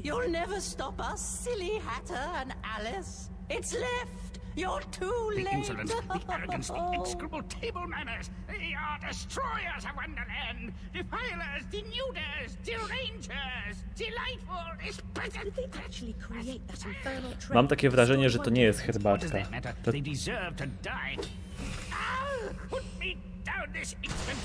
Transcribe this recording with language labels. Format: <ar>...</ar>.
<en>You'll never stop us, silly Hatter and Alice. It's lift! You're too late! The insolence, the arrogance, the inscrutable table manners! They are destroyers of Wonderland! Defilers, denuders, derangers, delightful, did they actually create that infernal train?</en> <pl>Mam takie wrażenie, że to nie jest herbatka. To...</pl> <en>They deserve to die. Ah, put me down this instant!</en>